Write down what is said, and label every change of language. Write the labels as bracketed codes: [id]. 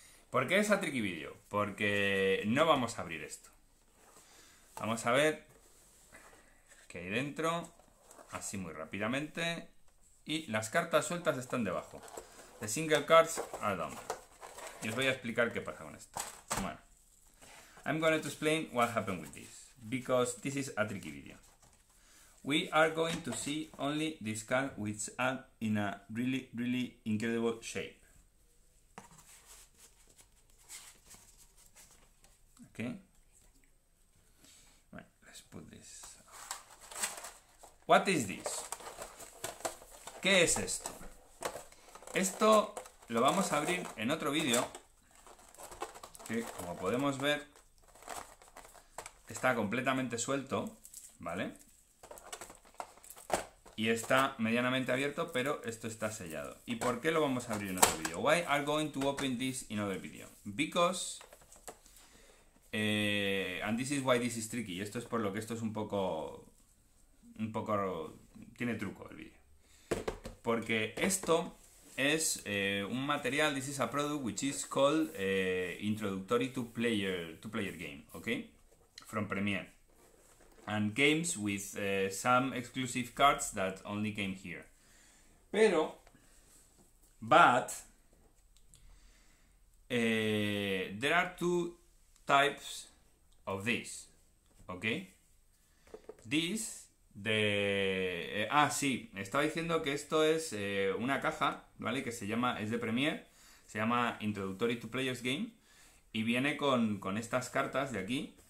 [es] ¿Por qué es [en] a tricky video? [es] Porque no vamos a abrir esto. Vamos a ver qué hay dentro, así muy rápidamente. Y las cartas sueltas están debajo. [en] The single cards are down. [es] Y os voy a explicar qué pasa con esto. [en] Bueno, I'm going to explain what happened with this, because this is a tricky video. We are going to see only this card which is in a really, really incredible shape. Okay. Right, let's put this. What is this? [es] ¿Qué es esto? Esto lo vamos a abrir en otro vídeo. Que, como podemos ver, está completamente suelto. ¿Vale? Y está medianamente abierto, pero esto está sellado. ¿Y por qué lo vamos a abrir en otro vídeo? [en] Why are going to open this in other video? Because... and this is why this is tricky. [es] Esto es por lo que esto es un poco... un poco... tiene truco el vídeo. Porque esto es un material, [en] this is a product which is called [es] Introductory to Player Game, ¿ok? From Premiere. [en] And games with some exclusive cards that only came here. Pero, but, there are two types of this, okay? This, the... [es] sí, estaba diciendo que esto es una caja, ¿vale? Que se llama, es de Premiere, se llama Introductory to Players Game, y viene con estas cartas de aquí.